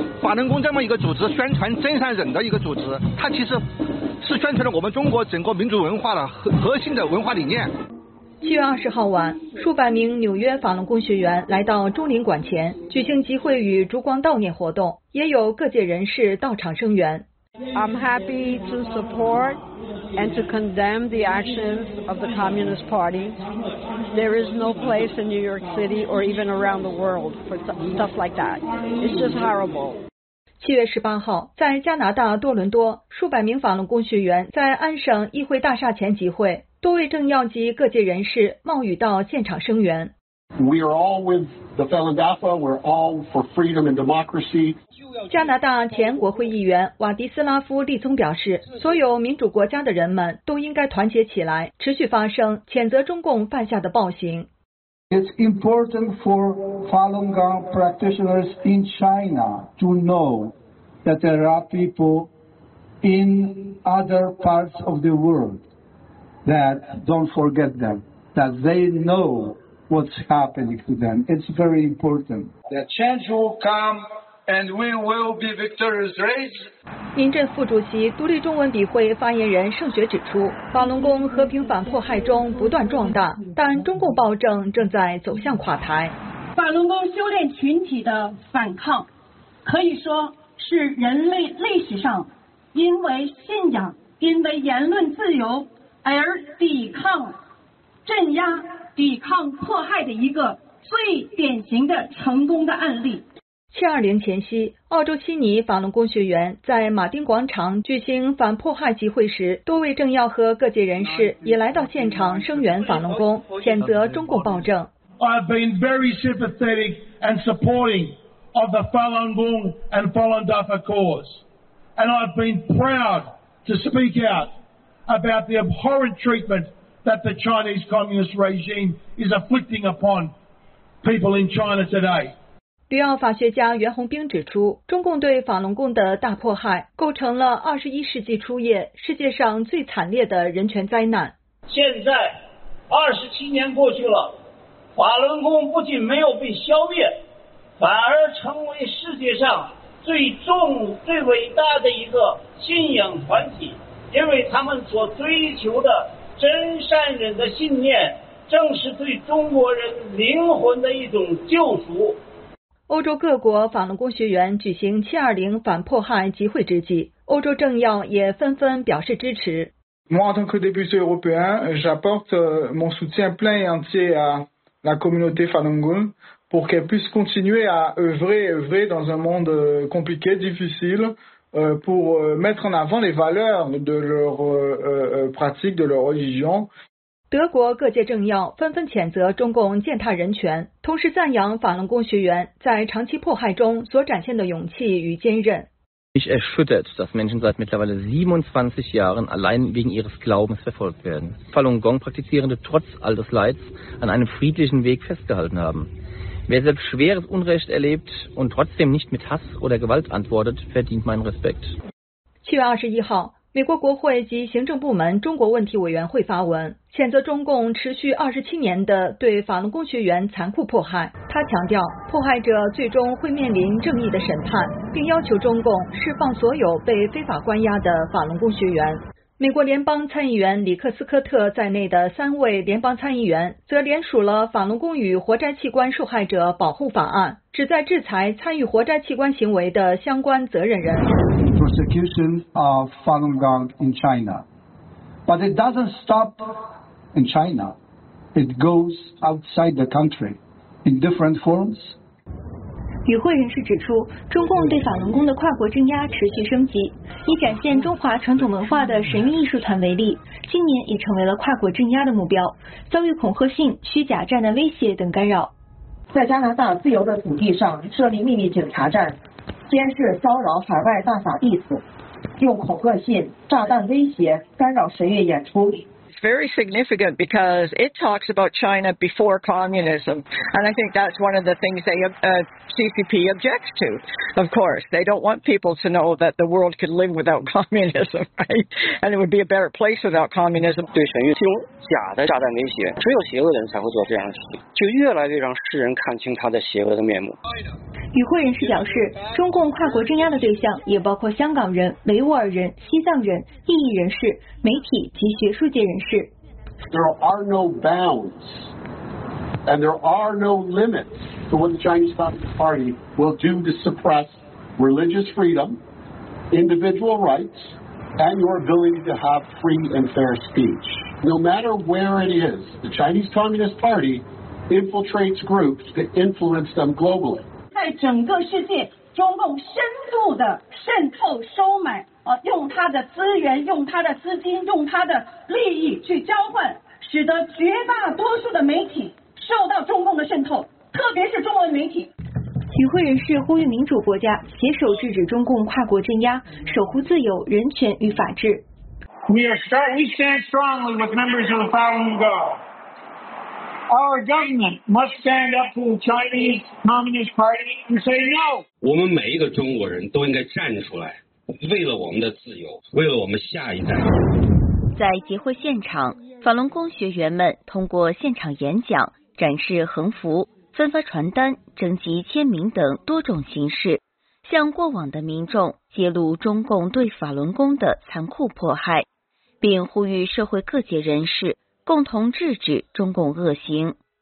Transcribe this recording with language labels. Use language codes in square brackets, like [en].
[zh] 法轮功这么一个组织，宣传真善忍的一个组织，它其实是宣传了我们中国整个民族文化的核心的文化理念。 7月20号晚，数百名纽约法轮功学员来到中领馆前举行集会与烛光悼念活动，也有各界人士到场声援。 [en] I'm happy to support and to condemn the actions of the Communist Party. There is no place in New York City or even around the world for stuff like that. It's just horrible. [zh] 7月18号，在加拿大多伦多，数百名法轮功学员在安省议会大厦前集会，多位政要及各界人士冒雨到现场声援。 [en] We are all with the Falandafa. We're all for freedom and democracy. [zh] 加拿大前国会议员瓦迪斯拉夫·利宗表示，所有民主国家的人们都应该团结起来，持续发声，谴责中共犯下的暴行。 [en] It's important for Falun Gong practitioners in China to know that there are people in other parts of the world that don't forget them, that they know. What's happening to them? It's very important. The change will come and we will be victorious, right? [zh] 民政副主席、独立中文笔会发言人盛雪指出，法轮功和平反迫害中不断壮大，但中共暴政正在走向垮台。法轮功修炼群体的反抗可以说是人类历史上因为信仰、因为言论自由而抵抗镇压、抵抗迫害的一个最典型的成功的案例。 720前夕，澳洲悉尼法轮功学员在马丁广场举行反迫害集会时，多位政要和各界人士也来到现场声援法轮功，谴责中共暴政。 [en] I've been very sympathetic and supporting of the Falun Gong and Falun Dafa cause, and I've been proud to speak out about the abhorrent treatment. That the Chinese Communist regime is afflicting upon people in China today. [zh] 旅澳法学家袁宏兵指出，中共对法轮功的大迫害构成了21世纪初叶世界上最惨烈的人权灾难。现在27年过去了，法轮功不仅没有被消灭，反而成为世界上最重、最伟大的一个信仰团体，因为他们所追求的。真善忍的信念正是对中国人灵魂的一种救赎。欧洲各国法轮功学员举行720反迫害集会之际，欧洲政要也纷纷表示支持。 [fr] Moi, en tant que député européen, j'apporte mon soutien plein et entier à la communauté Falun Gong pour qu'elle puisse continuer à œuvrer dans un monde compliqué, difficile. Pour mettre en avant les valeurs de leur pratique, de leur religion. [zh] 德国各界政要纷纷谴责中共践踏人权，同时赞扬法轮功学员在长期迫害中所展现的勇气与坚韧。 [de] Mich erschüttert, dass Menschen seit mittlerweile 27 Jahren allein wegen ihres Glaubens verfolgt werden. Falun Gong-Praktizierende trotz all des Leids an einem friedlichen Weg festgehalten haben. Wer selbst schweres Unrecht erlebt und trotzdem nicht mit Hass oder Gewalt antwortet, verdient meinen Respekt. [zh] 7月21号，美国国会及行政部门中国问题委员会发文，谴责中共持续27年的对法轮功学员残酷迫害。他强调，迫害者最终会面临正义的审判，并要求中共释放所有被非法关押的法轮功学员。美国联邦参议员里克斯科特在内的三位联邦参议员则联署了法轮功与活摘器官受害者保护法案，旨在制裁参与活摘器官行为的相关责任人。 [en] Persecution of Falun Gong in China. But it doesn't stop in China. It goes outside the country in different forms. [zh] 与会人士指出，中共对法轮功的跨国镇压持续升级。以展现中华传统文化的神韵艺术团为例，今年也成为了跨国镇压的目标，遭遇恐吓信、虚假炸弹威胁等干扰。在加拿大自由的土地上设立秘密警察站，监视骚扰海外大法弟子，用恐吓信、炸弹威胁干扰神韵演出。 [en] Very significant because it talks about China before communism, and I think that's one of the things they CCP objects to. Of course, they don't want people to know that the world could live without communism, right? And it would be a better place without communism. [zh] 对陈玉清假的炸弹威胁，只有邪恶人才会做这样的事情，就越来越让世人看清他的邪恶的面目。与会人士表示，中共跨国镇压的对象也包括香港人、维吾尔人、西藏人、异议人士、媒体及学术界人士。 [en] There are no bounds and there are no limits to what the Chinese Communist Party will do to suppress religious freedom, individual rights, and your ability to have free and fair speech. No matter where it is, the Chinese Communist Party infiltrates groups to influence them globally. [zh] 在整个世界，中共深度的渗透、收买，用他的资源、用他的资金、用他的利益去交换，使得绝大多数的媒体受到中共的渗透，特别是中文媒体。与会人士呼吁民主国家携手制止中共跨国镇压，守护自由、人权与法治。 [en] We stand strongly with members of the Falun Gong. Our government must stand up to the Chinese Communist Party and say no. [zh] 我们每一个中国人都应该站出来，为了我们的自由，为了我们下一代。在集会现场，法轮功学员们通过现场演讲、展示横幅、分发传单、征集签名等多种形式，向过往的民众揭露中共对法轮功的残酷迫害，并呼吁社会各界人士共同制止中共恶行。